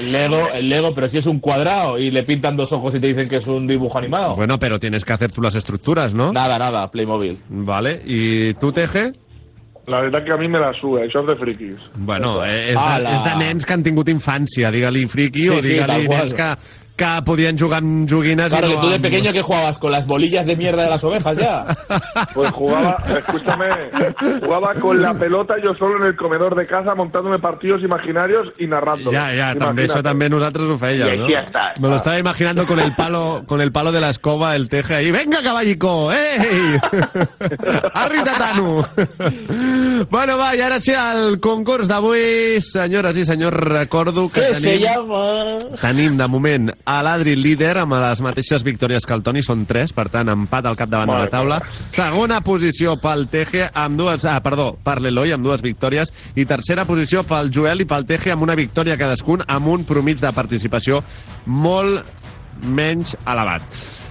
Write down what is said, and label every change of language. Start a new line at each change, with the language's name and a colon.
Spanish: No, el Lego, pero si es un cuadrado y le pintan dos ojos y te dicen que es un dibujo animado. Bueno, pero tienes que hacer tú las estructuras, ¿no? Nada, Playmobil. Vale, ¿y tú, Teje?
Catalan: La veritat que a mi
Spanish: me la sube,
Catalan: això és de friquis. Bueno, és de nens que han tingut infància, digue-li friqui, sí, o digue-li nens que podien jugar amb joguines.
Spanish: Claro,
Catalan: i
Spanish: tu de pequeño, ¿qué jugabas? ¿Con las bolillas de mierda de las ovejas, ya? Pues jugaba con la pelota yo solo en el comedor de casa montándome partidos imaginarios y narrándolo.
Catalan: Ya, també, això també nosaltres ho feia,
Spanish: ¿no? Ya está. Me lo estaba imaginando con el palo de la escoba, el Teje ahí. ¡Venga, caballico! ¡Ey! ¡Arri, tatanu! Bueno, va, y ahora sí
Catalan: al concurs d'avui. Senyores i senyors, recordo que
Spanish: tenim... ¿Qué se llama?
Catalan: Tenim, de moment... a l'Adri líder amb les mateixes victòries que el Toni, són 3, per tant empat al capdavant de la taula. Segona posició pel Teje amb dues, per l'Eloi amb dues victòries, i tercera posició pel Joel i pel Teje amb una victòria cadascun, amb un promig de participació molt menys elevat.